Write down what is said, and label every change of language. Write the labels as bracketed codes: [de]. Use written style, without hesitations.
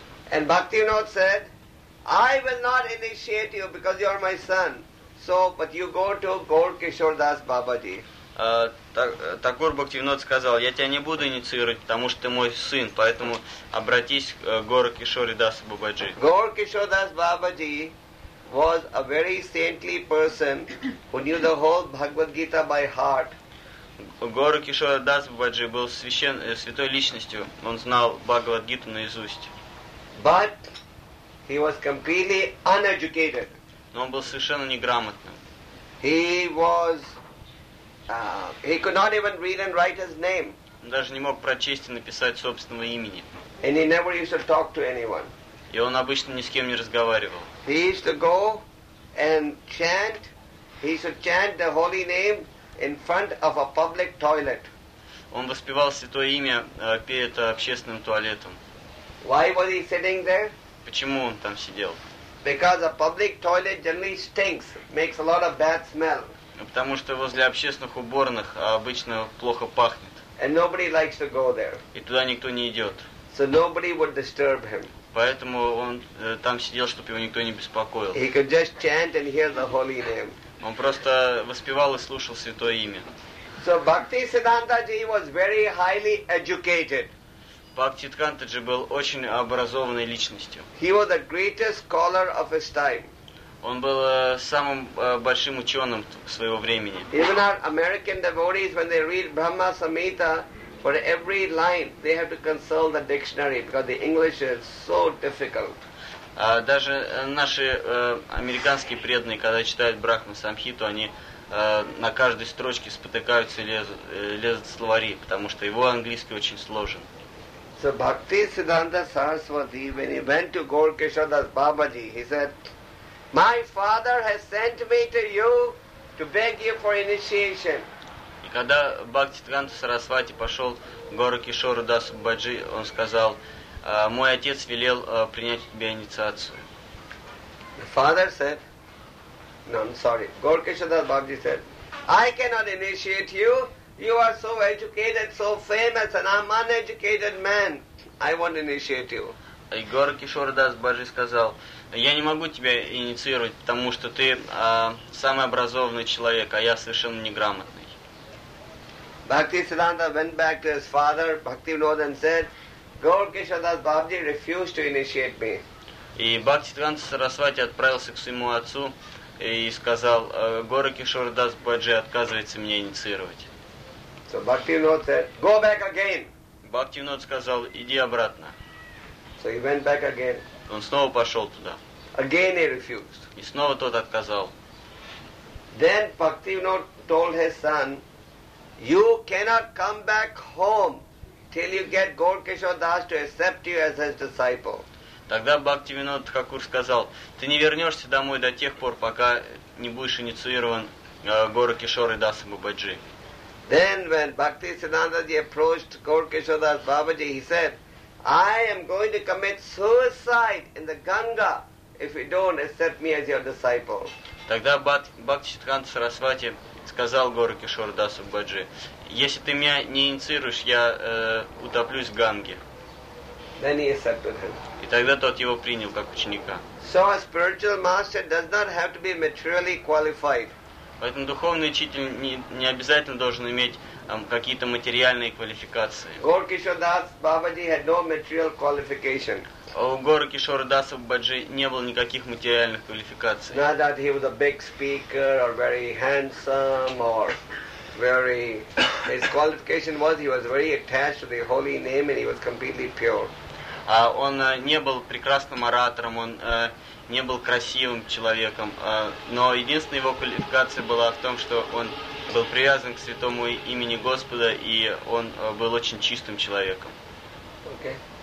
[en] And Bhakti Vinod said, "I will not initiate you because you are my son. So, but you go to Gaur Kishore Das Baba ji." [ru] Thakur Bhakti Vinod сказал, я тебя не буду инициировать, потому что ты мой сын, поэтому обратись к Гора Кишоре Даса Бабаджи. Гора Кишоре Даса Бабаджи [en] was a very saintly person who knew the whole Bhagavad Gita by heart. [ru] Гуру Кишора Дас Бхаджи был святой личностью. Он знал Бхагавад Гиту наизусть. [en] But he was completely uneducated. [ru] Но он был совершенно неграмотным. [en] He could not even read and write his name. [ru] Он даже не мог прочесть и написать собственного имени. [en] And he never used to talk to anyone. [ru] И он обычно ни с кем не разговаривал. [en] He used to go and chant. He used to chant the holy name in front of a public toilet. [ru] Он воспевал святое имя перед общественным туалетом. [en] Why was he sitting there? [ru] Почему он там сидел? [en] Because a public toilet generally stinks, makes a lot of bad smell. [ru] Потому что возле общественных уборных обычно плохо пахнет. [en] And nobody likes to go there. [ru] И туда никто не идет. [en] So nobody would disturb him. [ru] Поэтому он там сидел, чтобы его никто не беспокоил. [en] He could just chant and hear the holy name. [ru] Он просто воспевал и слушал святое имя. [en] So Bhakti Siddhanta ji was very highly educated. [ru] Бхакти Сиддханта ji был очень образованной личностью. [en] He was the greatest scholar of his time. [ru] Он был самым большим ученым своего времени. [en] Even our American devotees, when they read Brahma Samhita, for every line they have to consult the dictionary because the English is so difficult. [ru] Даже наши американские преданные, когда читают Брахма Самхиту, они на каждой строчке спотыкаются и лезут в словари, потому что его английский очень сложен. [en] So Bhakti Siddhanta Saraswati, when he went to Gaur Kishordas Babaji, he said, "My father has sent me to you to beg you for initiation." [ru] И когда Бхакти Сиддханта Сарасвати пошел к Гору Кишору Дасу Баджи, он сказал, мой отец велел принять у тебя инициацию. [en] The father said, no, I'm sorry, Gaur Kishordas Babaji said, I cannot initiate you. You are so educated, so famous, and I'm an uneducated man. I won't initiate you. [ru] И Гору Кишордас Баджи сказал, я не могу тебя инициировать, потому что ты самый образованный человек, а я совершенно неграмотный. [en] Bhakti Siddhanta went back to his father, Bhakti Vinod, and said, Gaur Kishordas Babaji refused to initiate me. [ru] И Бхакти Сиддханта Сарасвати отправился к своему отцу и сказал, Гору Кишордас Баджи отказывается меня инициировать. [en] So Bhakti Vinod said, go back again. [ru] Бхакти Винод сказал, иди обратно. [en] So he went back again. [ru] Он снова пошел туда. [en] Again he refused. [ru] И снова тот отказал. [en] Then Bhakti Vinod told his son, you cannot come back home till you get Gaur Kishordas to accept you as his disciple. [ru] Тогда Бхакти Винод Тхакур сказал, ты не вернешься домой до тех пор, пока не будешь инициирован Гору Кишорой Дасом Бабаджи. [en] Then when Bhakti Siddhanta ji approached Gaur Kishordas Babaji, he said, I am going to commit suicide in the Ganga if you don't accept me as your disciple. [ru] Тогда Бхакти Сиддханта Сарасвати сказал Гору Кишору Дасу Баджи, если ты меня не инициируешь, я утоплюсь в Ганге. [en] Then he accepted him. [ru] И тогда тот его принял как ученика. [en] So a spiritual master does not have to be materially qualified. [ru] Поэтому духовный учитель не обязательно должен иметь какие-то материальные квалификации. [en] Gaur Kishordas Babaji had no material qualification. [ru] У Гору Кишора Даса Баджи не было никаких материальных квалификаций. [en] Not that he was a big speaker or very handsome or very. His qualification was he was very attached to the holy name and he was completely pure. [ru] А он не был прекрасным оратором, он не был красивым человеком, но единственная его квалификация была в том, что он был привязан к святому имени Господа и он был очень чистым человеком. [en] Okay.